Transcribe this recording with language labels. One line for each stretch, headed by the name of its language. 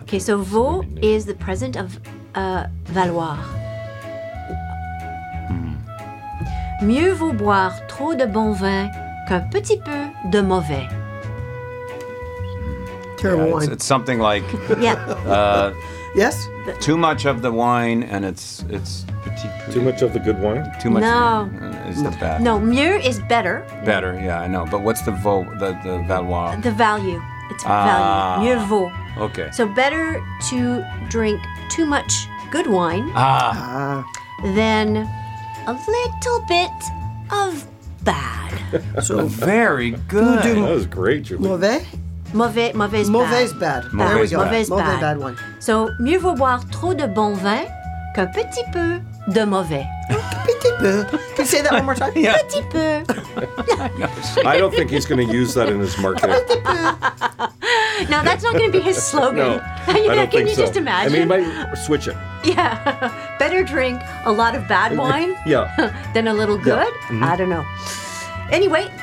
English: Okay, so vaut is the present of valoir.
French: Mieux vaut boire trop de bon vin qu'un petit peu de mauvais.
English: Terrible wine. It's something like. Yes? Too much of the wine and it's petit peu. Too much of the good wine? Too much of the bad. No, mieux is better. Better, yeah, I know. But what's the valoir? The value. It's value. Mieux vaut. Okay. So better to drink too much good wine than a little bit of bad. So very good. That was great, Julie.
French: Mauvais?
English: Mauvais is bad. Mauvais is bad.
French: So, mieux vaut boire trop de bon vin qu'un petit peu de mauvais. Petit peu.
English: Can you say that one more time?
French: Yeah. Petit peu.
English: I don't think he's going to use that in his marketing.
French: Petit peu.
English: No, that's not going to be his slogan. No, Can you just imagine? I mean, he might switch it. Yeah. Better drink a lot of bad wine than a little good? Yeah. Mm-hmm. I don't know. Anyway,